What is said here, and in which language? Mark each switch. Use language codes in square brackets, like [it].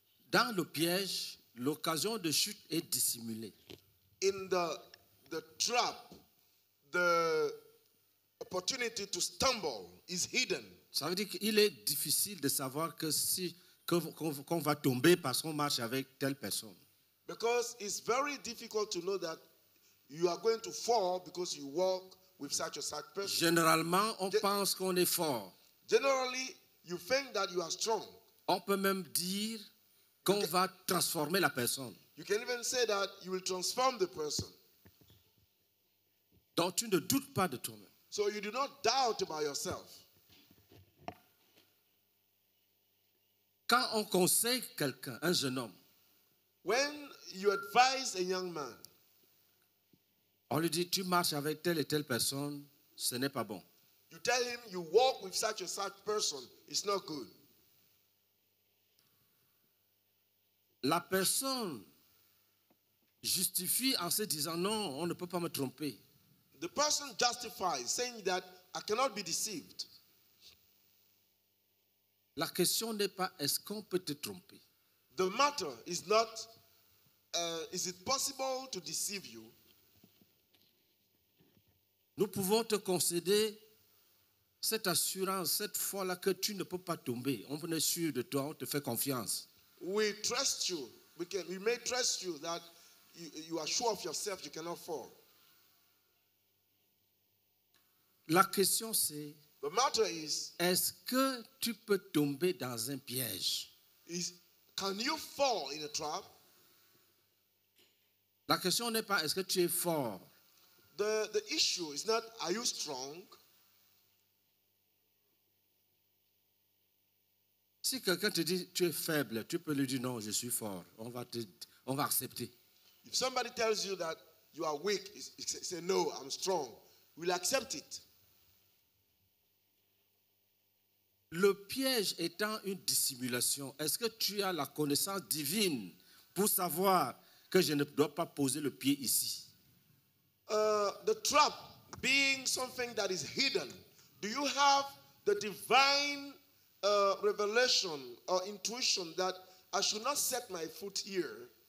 [fr] Dans le piège, l'occasion de chute est dissimulée. [en] In the trap, the opportunity to stumble is hidden. [fr] Ça veut dire qu'il est difficile de savoir que si qu'on va tomber parce qu'on marche avec telle personne. [en] Because it's very difficult to know that you are going to fall because you walk with such or such person. [fr] Généralement, on pense qu'on est fort. [en] Generally, you think that you are strong. [fr] On peut même dire qu'on va transformer la personne. [en] You can even say that you will transform the person. [fr] Donc, tu ne doutes pas de toi-même. [en] So you do not doubt about yourself. [fr] Quand on conseille quelqu'un, un jeune homme, [en] when you advise a young man, [fr] on lui dit, tu marches avec telle et telle personne, ce n'est pas bon. [en] You tell him, you walk with such and such person, it's not good. [fr] La personne justifie en se disant, non, on ne peut pas me tromper. [en] The person justifies saying that I cannot be deceived. [fr] La question n'est pas est-ce qu'on peut te tromper. [en] The matter is not is it possible to deceive you? [fr] Nous pouvons te concéder cette assurance, cette foi-là que tu ne peux pas tomber. On est sûr de toi, on te fait confiance. [en] We trust you. We may trust you that you are sure of yourself, you cannot fall. [fr] La question c'est, [en] the matter is, [fr] est-ce que tu peux tomber dans un piège? [en] Can you fall in a trap? [fr] La question n'est pas est-ce que tu es fort. [en] The issue is not are you strong. [fr] Si quelqu'un te dit tu es faible, tu peux lui dire non, je suis fort. On va accepter. [en] If somebody tells you that you are weak, say no, I'm strong. We'll accept it. [fr] Le piège étant une dissimulation, est-ce que tu as la connaissance divine pour savoir que je ne dois pas poser le pied ici? [en] The trap being something that is hidden, do you have the divine revelation or intuition that I should not set my foot here?